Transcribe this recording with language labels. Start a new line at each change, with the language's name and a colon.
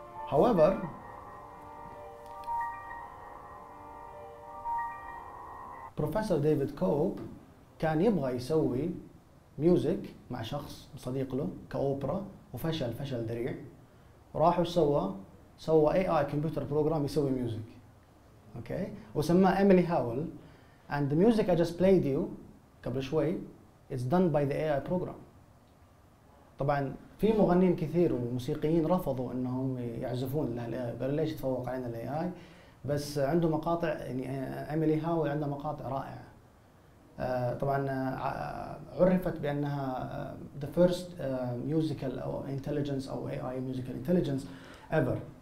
English: However
Arabic: بروفيسور ديفيد كوب كان يبغى يسوي ميوزك مع شخص صديق له كأوبرا وفشل فشل ذريع. راح وسوى AI كمبيوتر بروجرام يسوي ميوزك، اوكي، وسمى إيميلي هاول.
English: And the music I just played you
Arabic: قبل شوي
English: is done by the AI program.
Arabic: طبعا في مغنين كثير وموسيقيين رفضوا انهم يعزفون لها الاي، قالوا ليش تفوق علينا الاي اي، بس عنده مقاطع يعني إيميلي هاول عنده مقاطع رائعه. طبعا عرفت بانها
English: the first musical intelligence
Arabic: او
English: AI musical intelligence ever.